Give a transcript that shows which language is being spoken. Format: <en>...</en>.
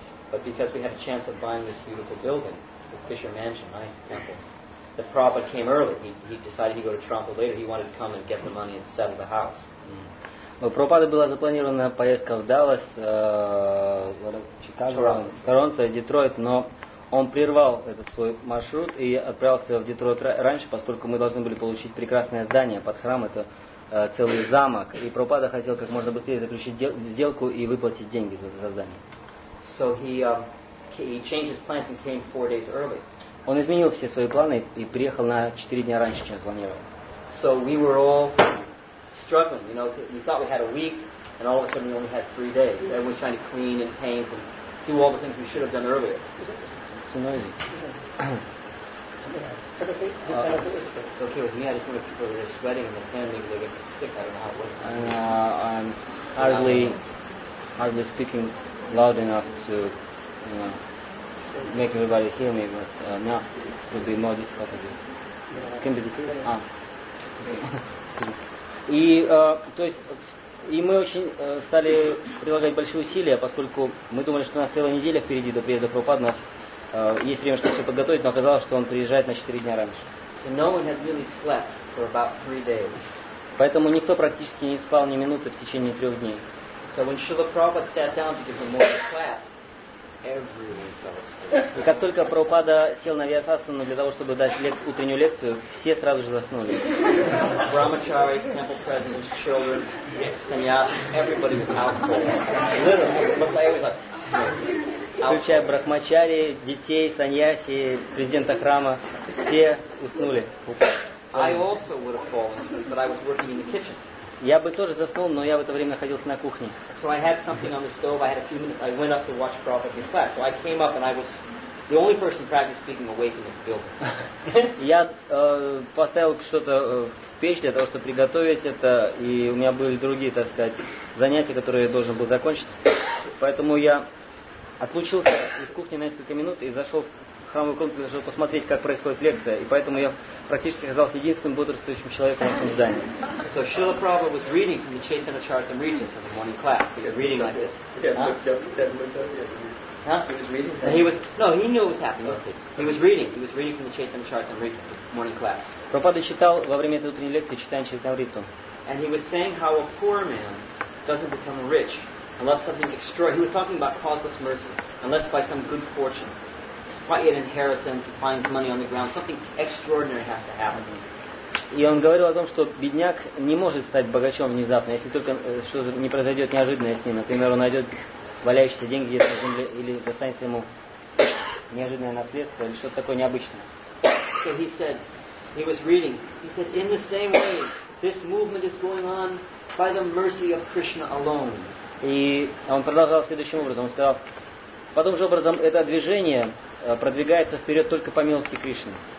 <en>But because we had a chance of buying this beautiful building, the Fisher Mansion, nice temple, the Prabhupada came early. He decided he'd go to Toronto later. He wanted to come and get the money and settle the house.</en> <ru>У Прабхупады была запланирована поездка в Даллас, Чикаго, Торонто, Детройт, но он прервал этот свой маршрут и отправился в Детройт раньше, поскольку мы должны были получить прекрасное здание под храм, это целый замок. И Прабхупада хотел как можно быстрее заключить сделку и выплатить деньги за здание.</ru> <en>So he changed his plans and came 4 days early.</en> <ru>Он изменил все свои планы и приехал на 4 дня раньше, чем планировал.</ru> <en>So we were all struggling, you know, we thought we had a week and all of a sudden we only had 3 days. So everyone's trying to clean and paint and do all the things we should have done earlier. So noisy. It's okay with me. I just know people are sweating and they're panting. They're getting sick. I don't know how it works. And, I'm hardly speaking loud enough to, you know, make everybody hear me. But now it will be more difficult. It can be difficult.</en> <ru>И то есть и мы очень стали прилагать большие усилия, поскольку мы думали, что у нас целая неделя впереди до приезда Прабхупады, у нас есть время, чтобы все подготовить, но оказалось, что он приезжает на 4 дня раньше.</ru> <en>So no one had really slept for about 3 days.</en> <ru>Поэтому никто практически не спал ни минуты в течение трех дней.</ru> <en>So when Srila Prabhupada sat down to give the morning class, everyone fell asleep.</en> <ru>И как только Прабхупада сел на Вьясасану для того, чтобы дать утреннюю лекцию, все сразу же заснули.</ru> <en>Brahmacharis, temple presidents, children, sannyasis, everybody was out cold. Literally, but they were.</en> <ru>Включая брахмачари, детей, саньяси, президента храма, все уснули.</ru> <en>I also would have fallen asleep, but I was working in the kitchen.</en> <ru>Я бы тоже заснул, но я в это время находился на кухне.</ru> <en>So I had something on the stove, I had a few minutes, I went up to watch Prabhupada's class. So I came up and I was the only person practically speaking awake in the building.</en> <ru>Я поставил что-то в печь для того, чтобы приготовить это, и у меня были другие, так сказать, занятия, которые я должен был закончить. Поэтому я отлучился из кухни на несколько минут и зашел в храмовый комплекс, чтобы посмотреть, как происходит лекция. И поэтому я практически оказался единственным бодрствующим человеком в этом здании.</ru> <en>So Srila Prabhupada was reading from the Chaitanya Charitamrita for the morning class. He was reading like this. He knew what was happening. He was reading from the Chaitanya Charitamrita for the morning class.</en> <ru>Прабхупада читал во время этой утренней лекции, читая Чайтамриту.</ru> <en>And he was saying how a poor man doesn't become rich unless something extraordinary. He was talking about causeless mercy, unless by some good fortune. Quite an inheritance, finds money on the ground. Something extraordinary has to happen.</en> <ru>И он говорил о том, что бедняк не может стать богачом внезапно, если только что-то не произойдет неожиданное с ним. Например, он найдет валяющиеся деньги где-то на земле, или достанется ему неожиданное наследство, или что-то такое необычное.</ru> <en>So he said, he was reading. He said, in the same way, this movement is going on by the mercy of Krishna alone.</en> <ru>И он продолжал следующим образом. Он сказал, по тому же образом это движение продвигается вперед только по милости Кришны.</ru>